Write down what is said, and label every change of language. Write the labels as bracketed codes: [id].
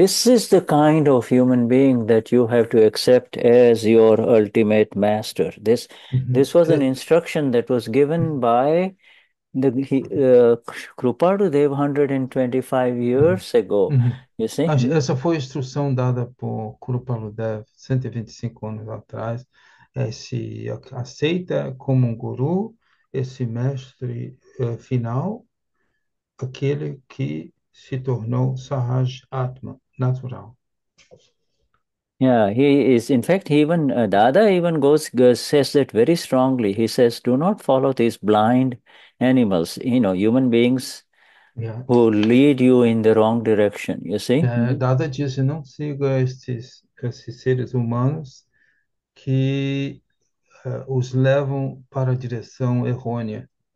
[en] This is the kind of human being that you have to accept as your ultimate master. This was an instruction that was given by the Krupadu Dev 125 years ago. You see? [pt] Essa foi a instrução dada por Krupalu Dev 125 anos atrás. Se aceita como um guru esse mestre final, aquele que se tornou Sahaj Atma natural. [en] In fact, Dada even says that very strongly. He says, do not follow these blind animals, human beings who lead you in the wrong direction, you see? [pt] Dada disse, não siga esses seres humanos que os levam para a direção errônea.